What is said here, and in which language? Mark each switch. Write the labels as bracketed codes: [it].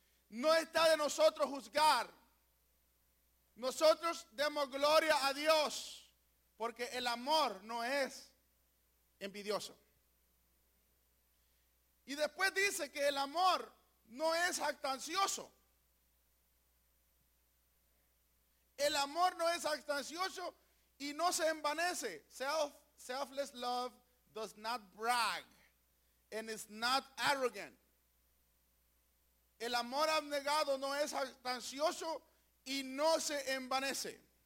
[es] No está de nosotros juzgar. Nosotros demos gloria a Dios porque el amor no es envidioso. Y después dice que el amor no es jactancioso. El amor no es jactancioso y no se envanece. [en] Selfless love does not brag and is not arrogant. [es] El amor abnegado no es jactancioso y no se envanece.